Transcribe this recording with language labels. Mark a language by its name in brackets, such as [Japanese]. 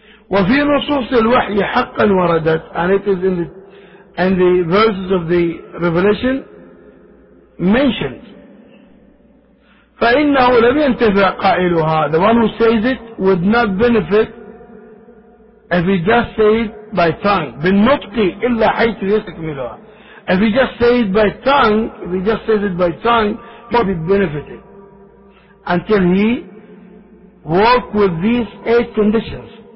[Arabic] وَفِي نُصُوصِ الْوَحْيِ حَقًّا وَرَدَتْ, [English] and it is in the verses of the Revelation mentioned. [Arabic] فإنه لم ينتفع قائلها, [English] the one who says it would not benefit if he just said by tongue. [Arabic] بالنطق إلا حيث يستكملها. [English] If he just said by tongue, he would be benefited until he work with these eight conditions.